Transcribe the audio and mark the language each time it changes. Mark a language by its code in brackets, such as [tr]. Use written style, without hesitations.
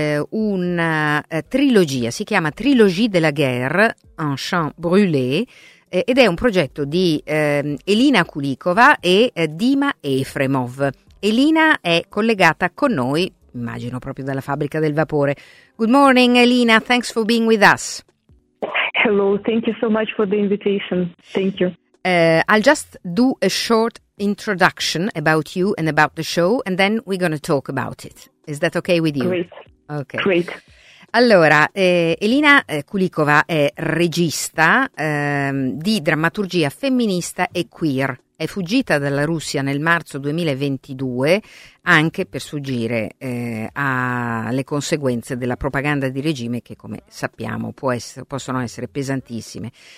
[it] una trilogia, si chiama Trilogie de la Guerre, Un Champ Brûlé, ed è un progetto di Elina Kulikova e Dima Efremov. Elina è collegata con noi, immagino proprio dalla Fabbrica del Vapore. [en] Good morning, Elina, thanks for being with us. Hello, thank you so much for the invitation. Thank you. I'll just do a short introduction about you and about the show, and then we're going to talk about it. Is that okay with you? Great. Okay. Great. [it] Allora, Elina Kulikova è regista di drammaturgia femminista e queer. È fuggita dalla Russia nel marzo 2022 anche per sfuggire alle conseguenze della propaganda di regime, che, come sappiamo, possono essere pesantissime.